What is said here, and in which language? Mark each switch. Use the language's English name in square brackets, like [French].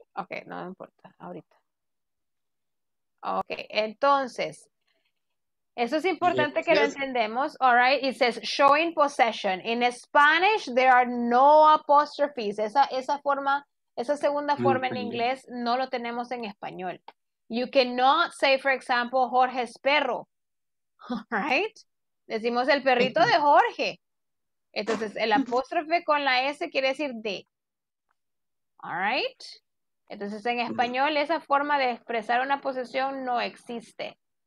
[Spanish] Okay, no importa, ahorita. Okay, entonces, eso es importante, yes, que lo entendemos, all right? [English] It says showing possession. In Spanish, there are no apostrophes. [Spanish] Esa segunda forma en inglés no lo tenemos en español. [English] You cannot say, for example, Jorge's perro, right? [Spanish] Decimos el perrito de Jorge. Entonces, el apóstrofe con la S quiere decir de. All right? Entonces, en español, esa forma de expresar una posesión no existe.